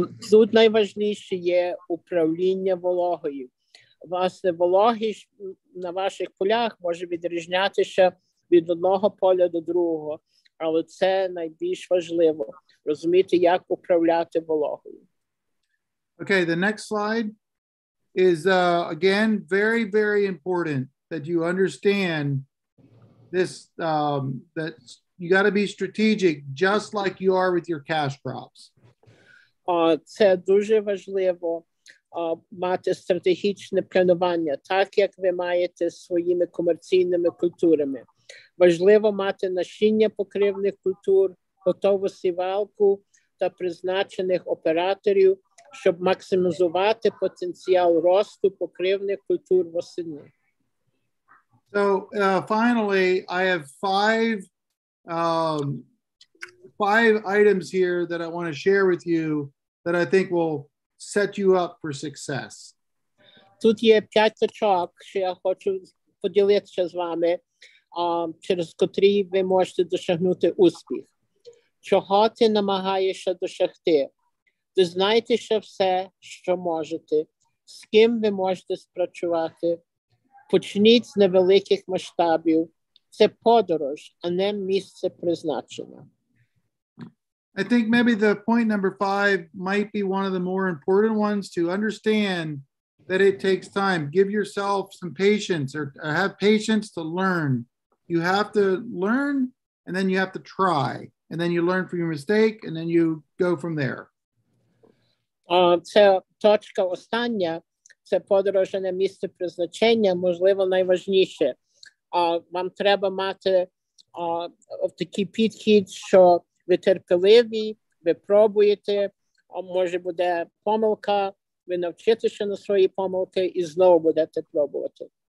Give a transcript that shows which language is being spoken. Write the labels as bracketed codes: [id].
[uk] Тут найважніше є управління вологою. Власне, вологі на ваших полях може відрізнятися від одного поля до другого, але це найбільш важливо розуміти, як управляти вологою. [en] Okay, the next slide is again very, very important that you understand this, that you got to be strategic just like you are with your cash crops. [uk] Це дуже важливо мати стратегічне планування, так як ви маєте своїми комерційними культурами. Важливо мати насіння покривних культур, готову сівалку та призначених операторів, щоб максимізувати потенціал росту покривних культур восени. [en] So, finally, I have five items here that I want to share with you that I think will set you up for success. [uk] Тут є 5 точок, що я хочу поділитися з вами, через котрі ви можете досягнути успіх. Чого ти намагаєшся досягти? Дізнайтеся все, що можете, з ким ви можете спрацювати. Почніть з невеликих масштабів. Це подорож, а не місце призначення. [en] I think maybe the point number 5 might be one of the more important ones to understand that it takes time. Give yourself some patience or have patience to learn. You have to learn and then you have to try. And then you learn from your mistake and then you go from there. [uk] Це точка остання. Це подорож на місце призначення, можливо, найважніше. Вам треба мати такий підхід, що ви терпеливі, ви пробуєте, може буде помилка, ви навчитеся на свої помилки і знову будете пробувати.